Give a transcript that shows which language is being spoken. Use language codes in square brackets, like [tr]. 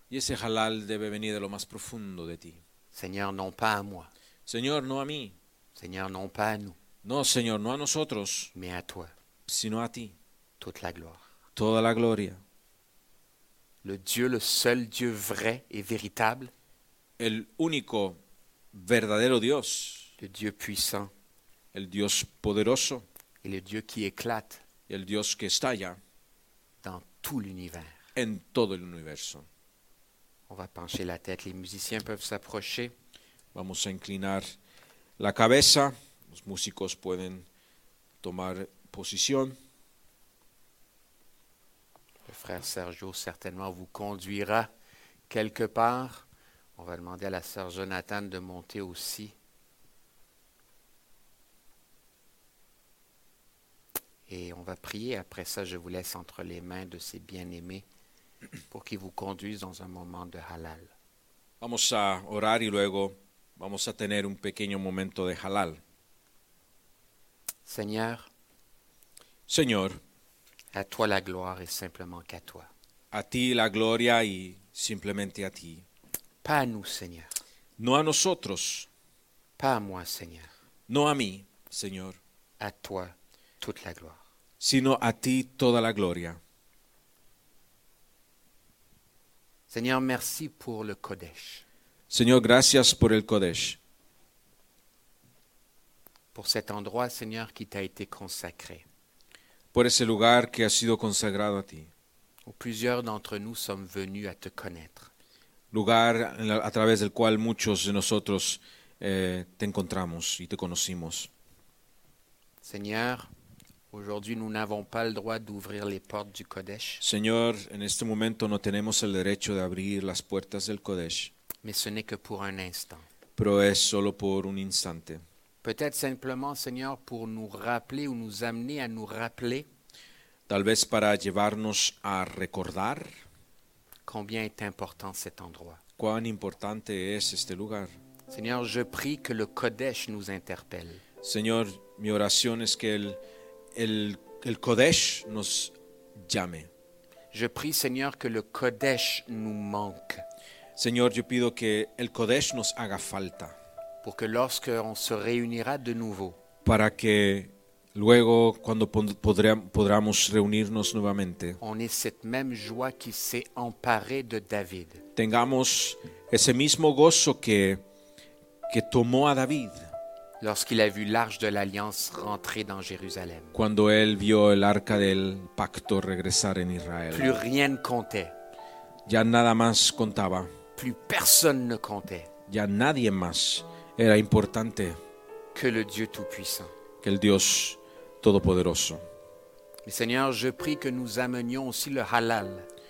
[es] Y ese halal debe venir de lo más profundo de ti. [fr] Seigneur, non pas à moi. [es] Señor, no a mí. [fr] Seigneur, non pas à nous. [es] No, Señor, no a nosotros. [fr] Mais à toi. [es] Sino a ti. [fr] Toute la gloire. [es] Toda la gloria. [fr] Le Dieu, le seul Dieu vrai et véritable. [es] El único verdadero Dios. [fr] Le Dieu puissant. [es] El Dios poderoso. [fr] Et le Dieu qui éclate. [es] El Dios que estalla. [fr] Dans tout l'univers. [es] En todo el universo. [fr] On va pencher la tête. Les musiciens peuvent s'approcher. [es] Vamos a inclinar la cabeza. Los músicos pueden tomar posición. [fr] Le frère Sergio certainement vous conduira quelque part. On va demander à la sœur Jonathan de monter aussi. Et on va prier. Après ça, je vous laisse entre les mains de ces bien-aimés pour qu'ils vous conduisent dans un moment de halal. [es] Vamos a orar y luego vamos a tener un pequeño momento de halal. [fr] Seigneur. [es] Señor. [fr] À toi la gloire et simplement qu'à toi. [es] A ti la gloria y simplemente a ti. [fr] Pas à nous, Seigneur. [es] No a nosotros. [fr] Pas à moi, Seigneur. [es] No a mí, Señor. [fr] À toi toute la gloire. [es] Sino a ti toda la gloria. [fr] Seigneur, merci pour le Kodesh. [es] Señor, gracias por el Kodesh. [fr] Pour cet endroit, Seigneur, qui t'a été consacré. [es] Por ese lugar que ha sido consagrado a ti. [fr] Où plusieurs d'entre nous sommes venus à te connaître. [es] Lugar a través del cual muchos de nosotros te encontramos y te conocimos. [fr] Seigneur, aujourd'hui, nous n'avons pas le droit d'ouvrir les portes du Kodesh. [es] Señor, en este momento no tenemos el derecho de abrir las puertas del Kodesh. [fr] Mais ce n'est que pour un instant. [es] Pero es solo por un instante. [fr] Peut-être simplement, Seigneur, pour nous rappeler ou nous amener à nous rappeler. [es] Tal vez para llevarnos a recordar. [fr] Combien est important cet endroit. [es] Cuán importante es este lugar. [fr] Seigneur, je prie que le Kodesh nous interpelle. [es] Señor, mi oración es que el Kodesh nos llame. [fr] Je prie, Seigneur, que le Kodesh nous manque. [es] Señor, yo pido que el Kodesh nos haga falta. [fr] Pour que lorsque on se réunira de nouveau. [es] Para que luego cuando podamos reunirnos nuevamente. [fr] On ait cette même joie qui s'est emparée de David. [es] Tengamos ese mismo gozo que tomó a David. [fr] Lorsqu'il a vu l'arche de l'alliance rentrer dans Jérusalem. [es] Cuando él vio el arca del pacto regresar en Israel. [fr] Plus rien ne comptait. [es] Ya nada más contaba. [fr] Plus personne ne comptait. [es] Ya nadie más era importante. [fr] Que le Dieu tout-puissant. [es] Que el Dios todopoderoso. [fr] Mais Seigneur, je prie que nous amenions aussi le halal.